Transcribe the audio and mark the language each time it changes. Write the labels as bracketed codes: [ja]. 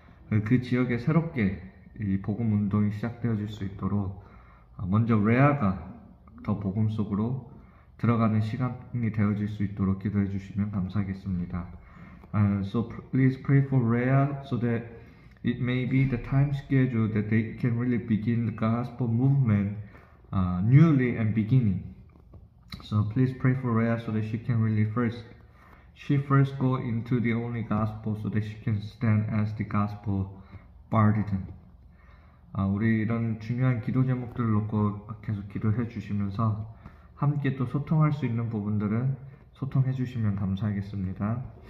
[ko] 그 지역에 새롭게 이 복음 운동이 시작되어질 수 있도록 먼저 레아가 더 복음 속으로 들어가는 시간이 되어질 수 있도록 기도해 주시면 감사하겠습니다. [en] So please pray for Rhea so that it may be the time schedule that they can really begin the gospel movement newly and beginning. So please pray for Rhea so that she first go into the only gospel so that she can stand as the gospel burden. [ko] 우리 이런 중요한 기도 제목들을 놓고 계속 기도해 주시면서 함께 또 소통할 수 있는 부분들은 소통해 주시면 감사하겠습니다.